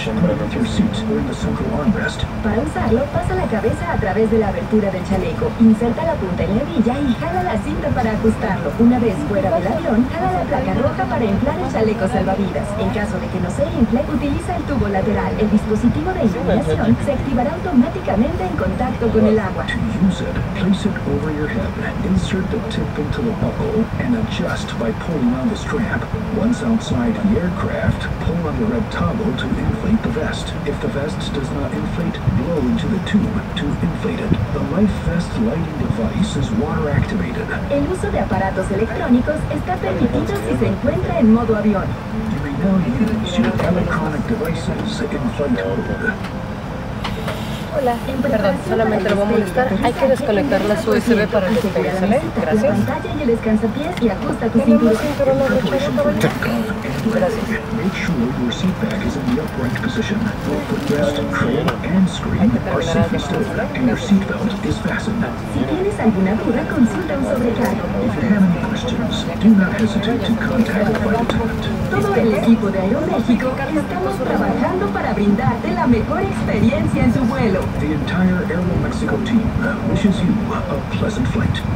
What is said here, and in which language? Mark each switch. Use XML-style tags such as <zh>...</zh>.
<es>Para usarlo, pasa la cabeza a través de la abertura del chaleco. Inserta la punta en la hebilla y jala la cinta para ajustarlo. Una vez fuera del avión, jala la placa roja para inflar el chaleco salvavidas. En caso de que no se infle, utiliza el tubo lateral. El dispositivo de iluminación se activará automáticamente en contacto con el agua.</es> <en>To use it, place it over your head, insert the tip into the buckle, and adjust by pulling on the strap. Once outside the aircraft, pull on the red toggle to inflate the vest. If the vest does not inflate, blow into the tube to inflate it. The life vest lighting device is water activated.</en> <es>El uso de aparatos electrónicos está permitido si se encuentra en modo avión.</es> <en>You may now use your electronic devices in flight mode.</en> <es>Hola, perdón, solamente lo voy a molestar. Hay que desconectar la USB para el despegue, ¿sale? Gracias. Pantalla y el descansapiés y ajusta tu cinturón. Gracias.</es> <en>Make sure your seat back is in the upright position.</en> <es>Si tienes alguna duda, consulta un sobrecargo. Todo el equipo de Aeroméxico estamos trabajando para brindarte la mejor experiencia en tu vuelo.</es> <en>The entire Aeroméxico team wishes you a pleasant flight.</en>